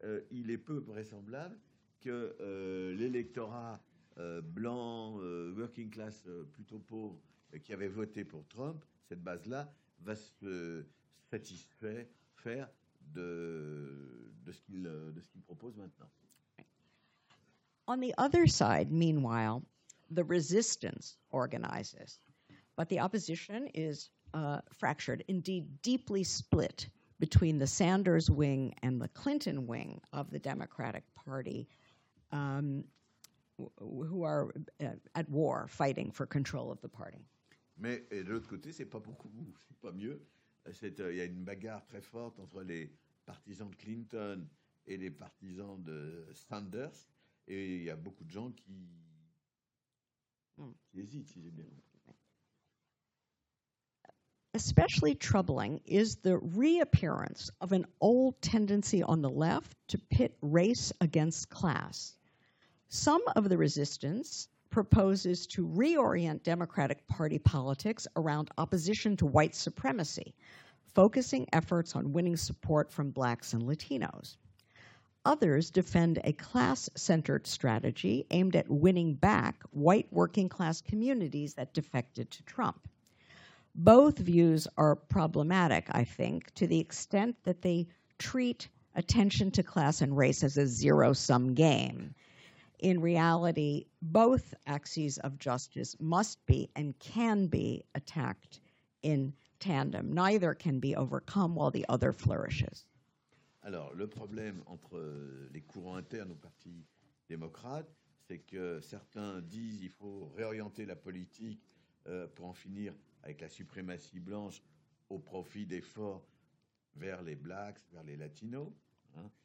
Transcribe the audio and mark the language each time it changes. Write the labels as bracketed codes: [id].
[fr] Il est peu vraisemblable que l'électorat blanc, [en] working class, [fr] plutôt pauvre, qui avait voté pour Trump, cette base-là, va se satisfaire de ce qu'il propose maintenant. [en] On the other side, meanwhile, the resistance organizes. But the opposition is fractured, indeed deeply split between the Sanders wing and the Clinton wing of the Democratic Party, who are at war, fighting for control of the party. [fr] Mais de l'autre côté, c'est pas beaucoup, c'est pas mieux. Il y a une bagarre très forte entre les partisans de Clinton et les partisans de Sanders, et il y a beaucoup de gens qui hésitent, si j'ai bien compris. [en] Especially troubling is the reappearance of an old tendency on the left to pit race against class. Some of the resistance proposes to reorient Democratic Party politics around opposition to white supremacy, focusing efforts on winning support from blacks and Latinos. Others defend a class-centered strategy aimed at winning back white working-class communities that defected to Trump. Both views are problematic, I think, to the extent that they treat attention to class and race as a zero-sum game. In reality, both axes of justice must be and can be attacked in tandem. Neither can be overcome while the other flourishes. [fr] Alors, le problème entre les courants internes au Parti démocrate, c'est que certains disent qu'il faut réorienter la politique pour en finir avec la suprématie blanche au profit d'efforts vers les blacks, vers les latinos. Hein.